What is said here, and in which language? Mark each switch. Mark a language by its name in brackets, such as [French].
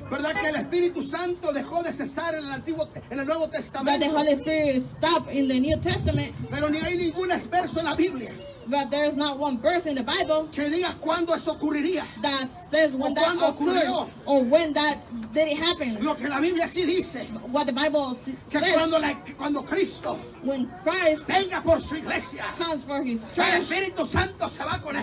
[Spanish] verdad, que el Espíritu Santo dejó de cesar en el antiguo, en el Nuevo Testamento, [English] that the Holy Spirit stopped in the New Testament, [Spanish] pero ni hay ningún verso en la Biblia, [English] but there is not one verse in the Bible [Spanish] que diga cuándo eso ocurriría, [English] that says when [Spanish] o [English] that [Spanish] cuando [English] occurred, [Spanish] ocurrió, [English] or when that did it happen. [Spanish] Lo que la Biblia sí dice, [English] what the Bible says, [Spanish] que cuando la, cuando Cristo, [English] when Christ [Spanish] venga por su iglesia, [English] comes for his church, [Spanish] el Espíritu Santo se va con él,